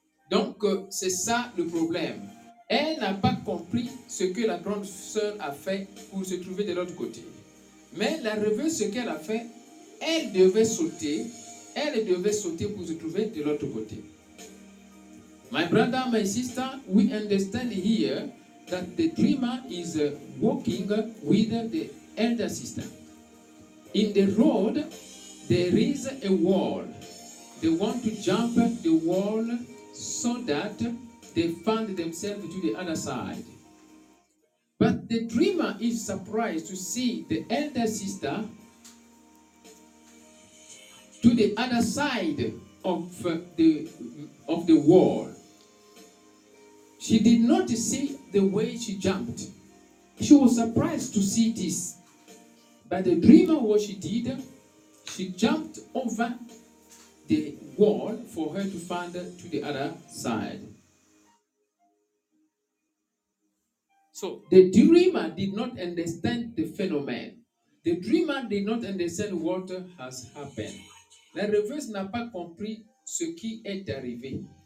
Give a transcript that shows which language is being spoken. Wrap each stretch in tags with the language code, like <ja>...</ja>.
<fr>Donc, c'est ça le problème. Elle n'a pas compris ce que la grande sœur a fait pour se trouver de l'autre côté. Mais la rêveuse, ce qu'elle a fait, elle devait sauter pour se trouver de l'autre côté.</fr> <en>My brother, my sister, we understand here that the dreamer is walking with the elder sister. In the road, there is a wall. They want to jump the wall so that they find themselves to the other side. But the dreamer is surprised to see the elder sister to the other side of the wall. She did not see the way she jumped. She was surprised to see this. But the dreamer, what she did, she jumped over the wall for her to find to the other side. So the dreamer did not understand the phenomenon. The dreamer did not understand what has happened.</en> <fr>La rêveuse n'a pas compris ce qui est arrivé.</fr>